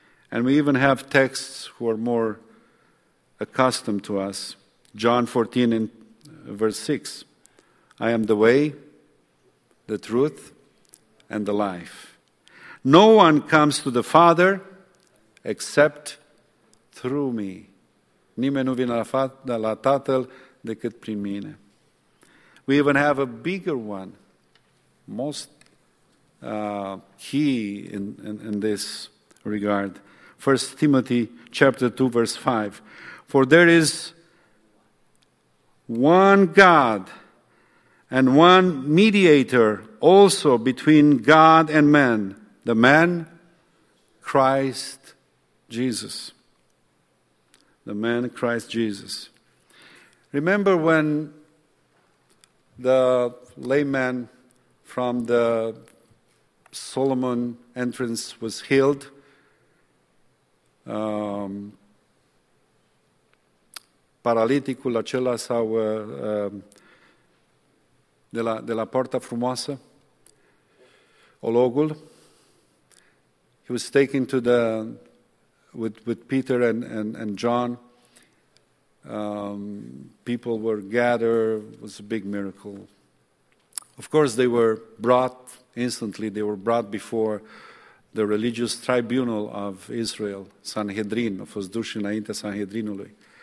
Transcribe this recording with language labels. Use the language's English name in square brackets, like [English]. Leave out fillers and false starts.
[English] And we even have texts who are more accustomed to us. John 14 and verse 6. I am the way, the truth, and the life. No one comes to the Father except through me. [Romanian] Nimeni nu vine la Tatăl decât prin mine. [English] We even have a bigger one. Most key in this regard. 1 Timothy chapter 2, verse 5. For there is one God and one mediator also between God and man, the man Christ Jesus. The man Christ Jesus. Remember when the layman from the Solomon's entrance was healed. [Romanian] Paraliticul acela sau de la Poarta Frumoasă, Ologul. [English] He was taken to the with Peter and John. People were gathered. It was a big miracle. Of course, they were brought instantly. They were brought before the religious tribunal of Israel, Sanhedrin. [Romanian] A fost duși înaintea Sanhedrinului.